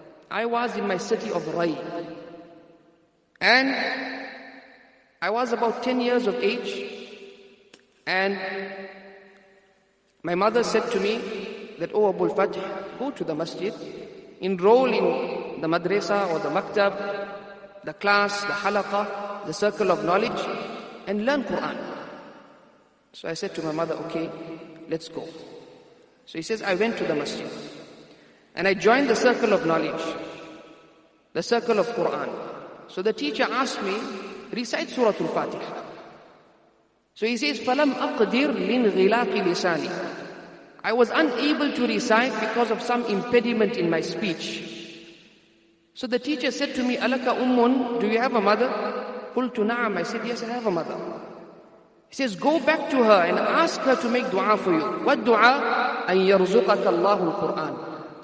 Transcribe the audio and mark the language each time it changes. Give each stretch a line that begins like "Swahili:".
English: I was in my city of Ray. And I was about 10 years of age, and my mother said to me that, oh, Abu al-Fath, go to the masjid, enroll in the madrasa or the maktab, the class, the halaqa, the circle of knowledge, and learn Quran. So I said to my mother, okay, let's go. So he says, I went to the masjid, and I joined the circle of knowledge, the circle of Quran. So the teacher asked me, recite Surah Al-Fatiha. So he says,
Arabic: فَلَمْ أَقْدِرْ مِنْ غِلَاقِ لِسَانِي.
English: I was unable to recite because of some impediment in my speech. So the teacher said to me,
Arabic: أَلَكَ أُمٌ,
English: do you have a mother?
Arabic: قُلْتُ نَعَمْ,
English: I said, yes, I have a mother. He says, go back to her and ask her to make dua for you. What dua?
Arabic: أَنْ يَرْزُقَكَ اللَّهُ الْقُرْآنِ.